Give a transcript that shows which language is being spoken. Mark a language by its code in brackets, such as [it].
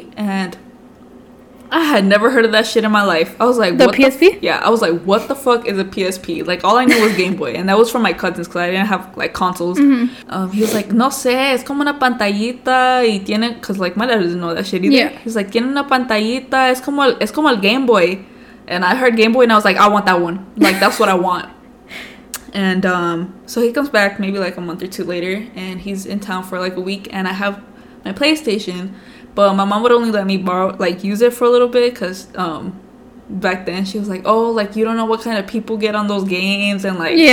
[en] And I had never heard of that shit in my life. I was like, what the PSP? Yeah, I was like, what the fuck is a PSP? Like, all I knew was Game Boy. And that was from my cousins because I didn't have, like, consoles. He was like, [es] no sé, es como una pantallita y tiene... [en] Because, like, my dad doesn't know that shit either. Yeah. He's like, [es] tiene una pantallita, es como el Game Boy. [en] And I heard Game Boy and I was like, I want that one. Like, that's what I want. And so he comes back maybe like a month or two later, and he's in town for like a week, and I have my PlayStation, but my mom would only let me borrow, like, use it for a little bit, because back then she was like, oh, like, you don't know what kind of people get on those games, and like,